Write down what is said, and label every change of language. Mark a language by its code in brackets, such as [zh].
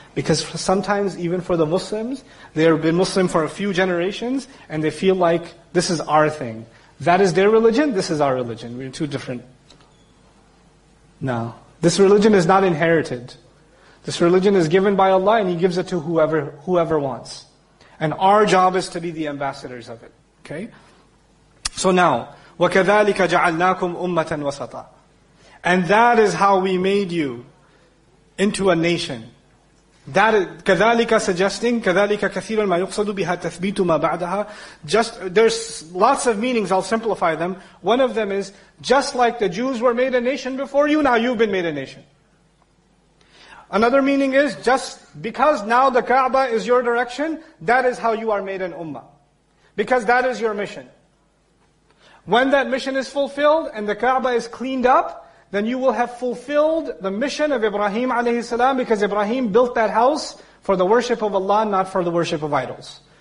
[en] Because sometimes even for the Muslims, they have been Muslim for a few generations, and they feel like this is our thing. That is their religion, this is our religion. We're two different. No. This religion is not inherited. This religion is given by Allah, and He gives it to whoever wants. And our job is to be the ambassadors of it. Okay? So now, [ar] وَكَذَلِكَ جَعَلْنَاكُمْ أُمَّةً وَسَطًا. [en] And that is how we made you into a nation. That [ar] كَذَلِكَ [en] suggesting, [ar] كَذَلِكَ كَثِيرًا مَا يُقْصَدُ بِهَا تَثْبِيتُ مَا بَعْدَهَا. [en] Just, there's lots of meanings, I'll simplify them. One of them is, just like the Jews were made a nation before you, now you've been made a nation. Another meaning is, just because now the Kaaba is your direction, that is how you are made an ummah. Because that is your mission. When that mission is fulfilled, and the Kaaba is cleaned up, then you will have fulfilled the mission of Ibrahim alayhi salam, because Ibrahim built that house for the worship of Allah, not for the worship of idols.